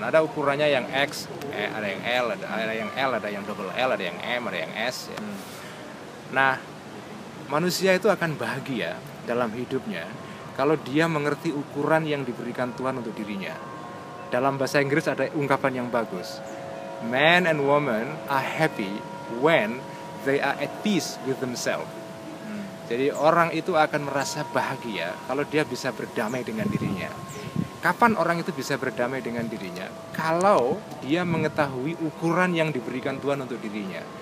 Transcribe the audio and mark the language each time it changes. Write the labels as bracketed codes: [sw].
[id] Ada ukurannya yang X, ada yang L, ada yang L, ada yang double L, ada yang M, ada yang S ya. Nah, manusia itu akan bahagia dalam hidupnya kalau dia mengerti ukuran yang diberikan Tuhan untuk dirinya. Dalam bahasa Inggris ada ungkapan yang bagus. [en] Man and woman are happy when they are at peace with themselves. [id] Jadi orang itu akan merasa bahagia kalau dia bisa berdamai dengan dirinya. Kapan orang itu bisa berdamai dengan dirinya? Kalau dia mengetahui ukuran yang diberikan Tuhan untuk dirinya.